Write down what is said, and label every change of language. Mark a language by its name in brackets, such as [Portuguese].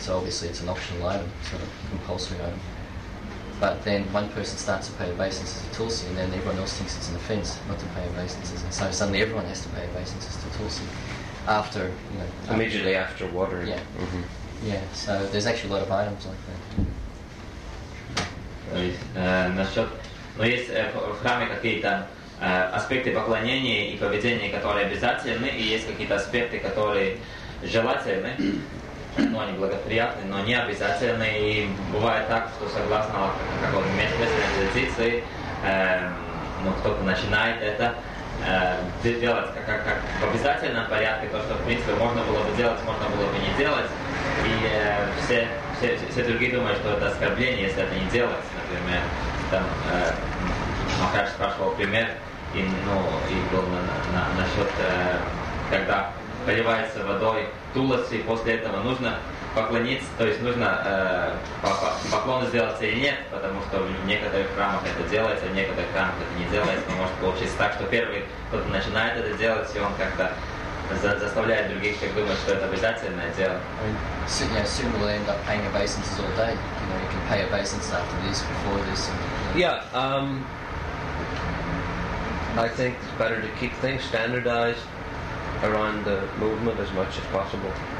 [English] So obviously it's an optional item, sort of compulsory item. But then one person starts to pay obeisances to tulsi, and then everyone else thinks it's an offence not to pay obeisances. And so suddenly everyone has to pay obeisances to tulsi after, you know... Immediately after watering. Yeah. Mm-hmm. Yeah, so there's actually a lot of items like that. [Russian] Но есть в храме какие-то аспекты поклонения и поведения, которые обязательны, и есть какие-то аспекты, которые желательны. ну, они благоприятны, но не обязательны. И бывает так, что согласно какой-то местной традиции, ну, кто-то начинает это делать как в обязательном порядке, то, что, в принципе, можно было бы делать, можно было бы не делать. И все другие думают, что это оскорбление, если это не делать. Например, там Махарадж спрашивал пример, и был насчет, когда поливается водой туласи, и после этого нужно поклониться, то есть нужно поклон сделать или нет, потому что в некоторых храмах это делается, в некоторых храмах это не делается, но может получиться так, что первый кто-то начинает это делать, и он как-то заставляет других как думать, что это обязательное дело. [English] So, yeah, soon we'll end up paying obeisances all day. You know, you can pay obeisances after this, before this. And, you know. Yeah, I think it's better to keep things standardized around the movement as much as possible.